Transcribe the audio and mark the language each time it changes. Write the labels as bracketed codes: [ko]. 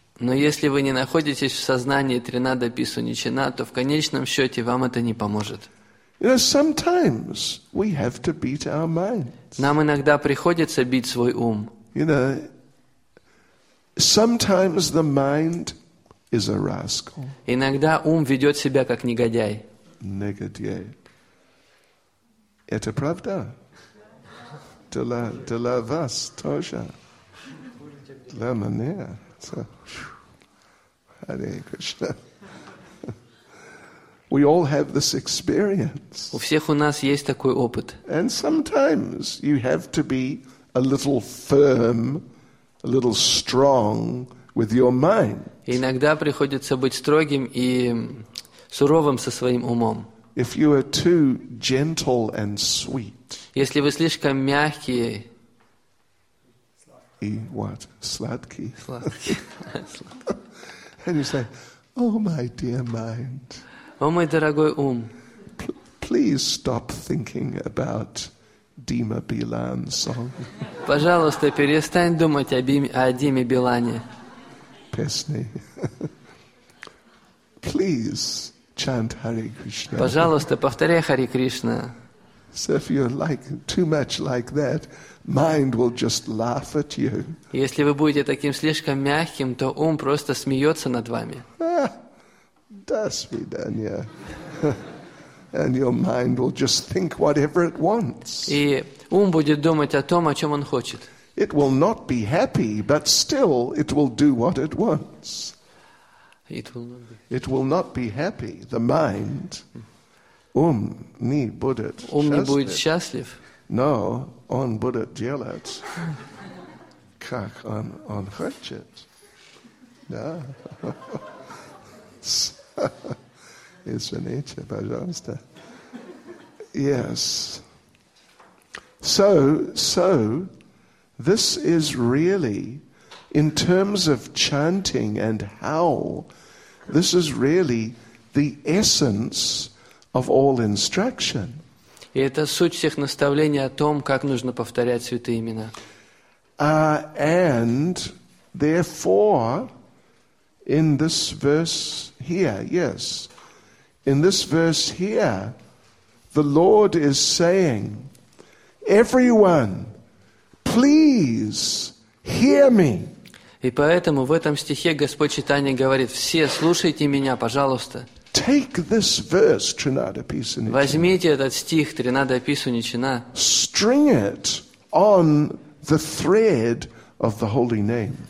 [ru] Но если вы не находитесь в сознании Тринада, Пису, Ничина, то в конечном счете вам это не поможет. [en] You know, sometimes we have to beat our minds. [ru] Нам иногда приходится бить свой ум. [en] You know, sometimes the mind is a rascal. [ru] Иногда ум ведет себя как негодяй. Negodiei. Это правда? Для вас тоже. Для меня. Харе Кришна. [en] We all have this experience. [ru] У всех у нас есть такой опыт. [en] And sometimes you have to be a little firm, a little strong with your mind. [ru] Иногда приходится быть строгим и суровым со своим умом. [en] If you are too gentle and sweet. [ru] Если вы слишком мягкие. И [en] what? [ru] Сладкие. Сладкие. [en] And you say, oh my dear mind. [ru] О мой дорогой ум. [en] Please stop thinking about Dima Bilan song. [ru] Пожалуйста, перестань думать о Диме Билане. Песни. [en] Please chant Hare Krishna. [ru] Пожалуйста, повторяй Хари Кришна. [en] So if you're like too much like that, mind will just laugh at you. [ru] Если вы будете таким слишком мягким, то ум просто смеется над вами. До свидания. [en] And your mind will just think whatever it wants. [ru] И ум будет думать о том, о чем он хочет. [en] It will not be happy, but still it will do what it wants. It will not be happy. The mind, [ru] не будет. Ум не будет счастлив. [en] No, [ru] он будет делать, как он хочет. Да. Извините, пожалуйста. [en] Yes. So, this is really, in terms of chanting and how. This is really the essence of all instruction. [ru] И это суть всех наставлений о том, как нужно повторять святые имена. [en] And therefore, in this verse here, yes, in this verse here, the Lord is saying, everyone, please hear me. [ru] И поэтому в этом стихе Господь Читания говорит, все слушайте меня, пожалуйста. [en] Take this verse, Trinada, Pisu, Nichina. [ru] Возьмите этот стих, Тринада, Пису, Ничина. [en] String it on the thread of the holy name.